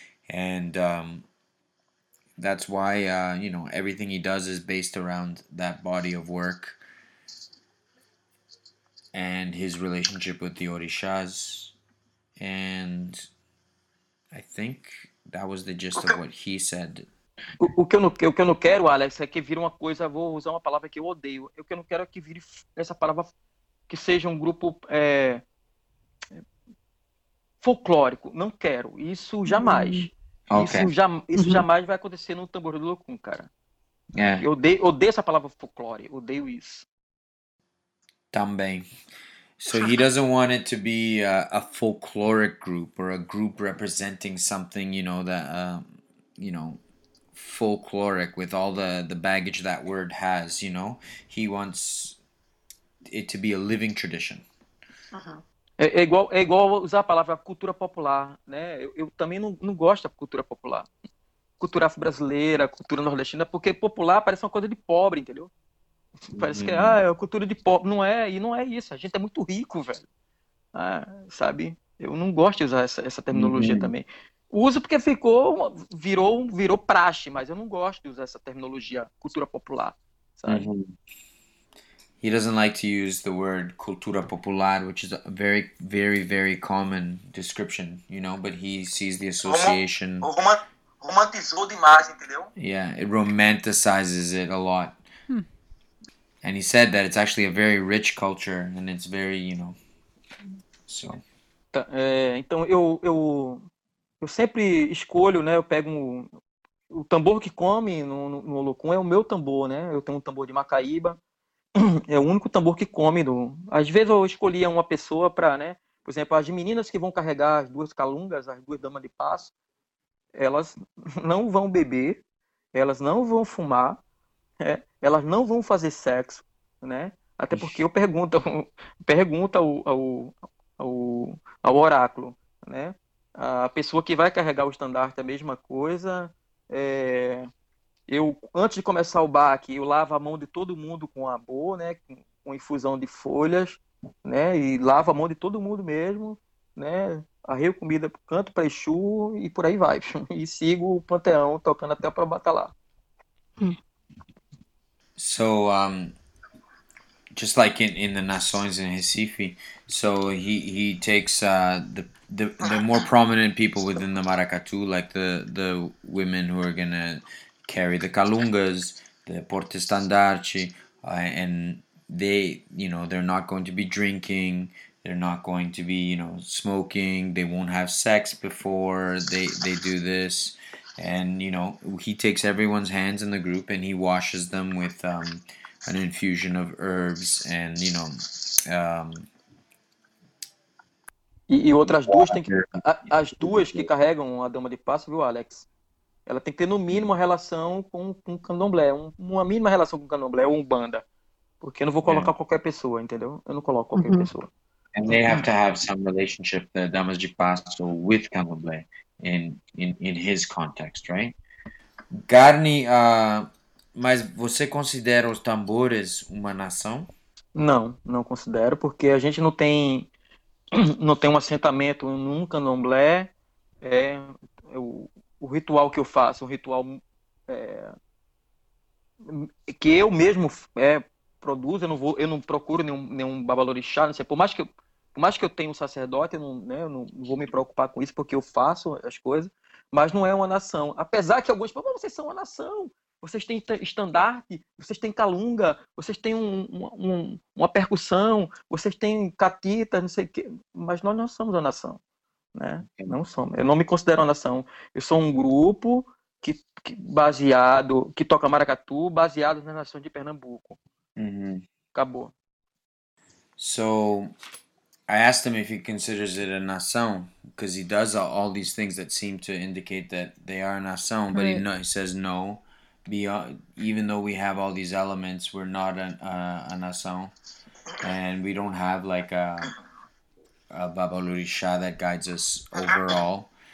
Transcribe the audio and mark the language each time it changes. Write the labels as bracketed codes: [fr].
[en] And that's why, you know, everything he does is based around that body of work and his relationship with the Orishas. And I think that was the gist of what he said. [pt] O que eu não quero, Alex, é que vire uma coisa, vou usar uma palavra que eu odeio. O que eu não quero é que vire essa palavra, que seja um grupo folclórico. Não quero. Isso jamais. [en] Okay. [pt] Isso jamais vai acontecer no Tambor do Locum, cara. [en] Yeah. [pt] Eu odeio essa palavra folclore, odeio isso. Também. [en] So he doesn't want it to be a folkloric group or a group representing something, you know, that you know, folkloric with all the baggage that word has, you know. He wants it to be a living tradition. Uh-huh. [pt] É igual usar a palavra cultura popular, né? Eu também não gosto da cultura popular. cultura afro-brasileira, cultura nordestina, porque popular parece uma coisa de pobre, entendeu? Parece que é a cultura de pobre. Não é, e não é isso. A gente é muito rico, velho. Ah, sabe? Eu não gosto de usar essa terminologia também. Uso porque virou praxe, mas eu não gosto de usar essa terminologia cultura popular, sabe? [en] He doesn't like to use the word cultura popular, which is a very, very, very common description, you know, but he sees the association. [pt] Romantizou demais, entendeu? [en] Yeah, it romanticizes it a lot. And he said that it's actually a very rich culture and it's very, you know, so. [pt] Então, eu sempre escolho, né, eu pego o tambor que come no Olocum é o meu tambor, né, eu tenho um tambor de Macaíba, é o único tambor que come. Às vezes eu escolhia uma pessoa para, né, por exemplo, as meninas que vão carregar as duas calungas, as duas damas de passo, elas não vão beber, elas não vão fumar, né? Elas não vão fazer sexo, né, até porque eu pergunto ao oráculo, né, a pessoa que vai carregar o estandarte é a mesma coisa. Eu, antes de começar o baque, eu lavo a mão de todo mundo com a boa, né, com infusão de folhas, né, e lavo a mão de todo mundo mesmo, né, arreio comida pro canto, para Exu, e por aí vai. E sigo o panteão, tocando até para o batalá. [en] So, just like in the Nações in Recife, so he takes the more prominent people within the maracatu, like the women who are gonna carry the calungas, the porte estandarte, and they, you know, they're not going to be drinking, they're not going to be, you know, smoking, they won't have sex before they do this, and, you know, he takes everyone's hands in the group and he washes them with an infusion of herbs and, you know, [pt] E outras duas tem que. As duas que carregam a dama de passo, viu, Alex? Ela tem que ter no mínimo uma relação com o candomblé. Uma mínima relação com o candomblé ou umbanda. Porque eu não vou colocar qualquer pessoa, entendeu? Eu não coloco qualquer pessoa. [en] And they have to have some relationship, the damas de passo, with candomblé, in his context, right? [pt] Garni, mas você considera os tambores uma nação? Não, não considero, porque a gente não tem. Não tem um assentamento num candomblé. O ritual que eu faço, um ritual que eu mesmo produzo, eu não procuro nenhum babalorixá, não sei. Por mais que eu tenha um sacerdote, eu não vou me preocupar com isso, porque eu faço as coisas, mas não é uma nação. Apesar que alguns falam, mas vocês são uma nação, vocês têm estandarte, vocês têm calunga, vocês têm uma percussão, vocês têm catita, não sei o quê, mas nós não somos a nação, né? Não somos. Eu não me considero a nação. Eu sou um grupo que toca maracatu baseado na nação de Pernambuco. Mm-hmm. Acabou. [en] So, I asked him if he considers it a nação, because he does all these things that seem to indicate that they are a nação, but right. he says no. Beyond, even though we have all these elements, we're not a nação, and we don't have like a babalorixá that guides us overall.